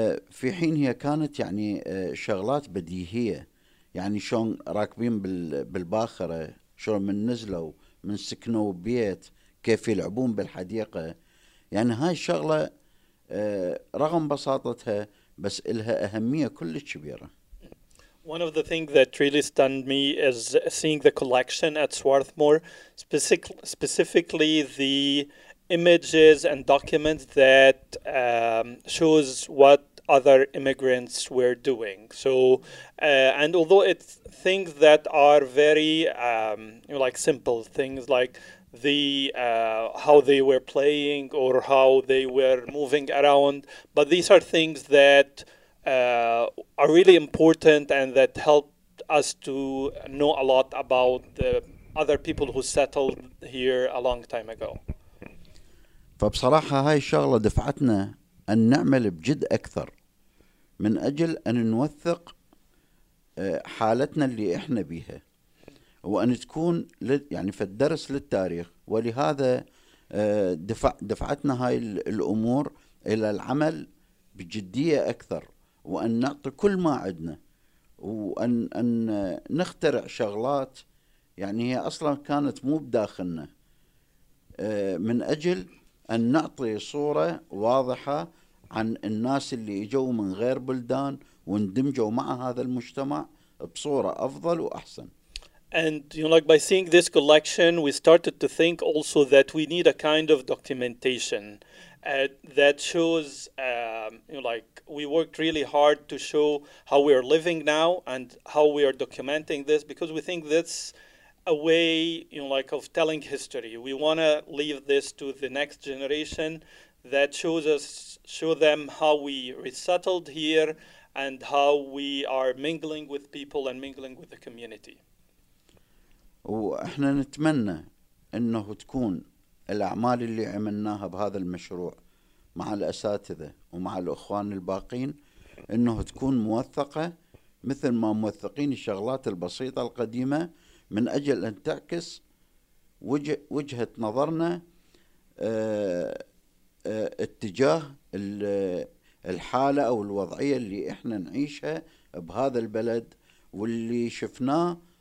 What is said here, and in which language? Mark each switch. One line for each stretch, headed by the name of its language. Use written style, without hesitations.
Arabic: في حين هي كانت يعني شغلات بديهية, يعني شلون راكبين بالباخرة, شلون من نزلوا من سكنوا بيت, كيف يلعبون بالحديقة. يعني هاي الشغلة رغم بساطتها بس إلها أهمية كلش كبيرة.
English: One of the things that really stunned me is seeing the collection at Swarthmore, specifically the images and documents that shows what other immigrants were doing. So, and although it's things that are very like simple things like the how they were playing or how they were moving around, but these are things that are really important and that helped us to know a lot about the other people who settled here a long time ago.
Arabic: فبصراحة هاي الشغلة دفعتنا أن نعمل بجد أكثر من أجل أن نوثق حالتنا اللي إحنا بيها, وأن تكون يعني في الدرس للتاريخ. ولهذا دفعتنا هاي الأمور إلى العمل بجدية أكثر, وأن نعطي كل ما عندنا, وأن نخترع شغلات يعني هي أصلا كانت مو بداخلنا, من أجل أن نعطي صورة واضحة عن الناس اللي يجوا من غير بلدان واندمجوا مع هذا المجتمع بصورة أفضل وأحسن.
English: And you know, like by seeing this collection, we started to think also that we need a kind of documentation that shows, we worked really hard to show how we are living now and how we are documenting this, because we think that's a way, of telling history. We want to leave this to the next generation that show them how we resettled here and how we are mingling with people and mingling with the community.
Arabic: وإحنا نتمنى إنه تكون الأعمال اللي عملناها بهذا المشروع مع الأساتذة ومع الأخوان الباقين إنه تكون موثقة مثل ما موثقين الشغلات البسيطة القديمة, من أجل أن تعكس وجهة نظرنا اتجاه الحالة أو الوضعية اللي إحنا نعيشها بهذا البلد واللي شفناه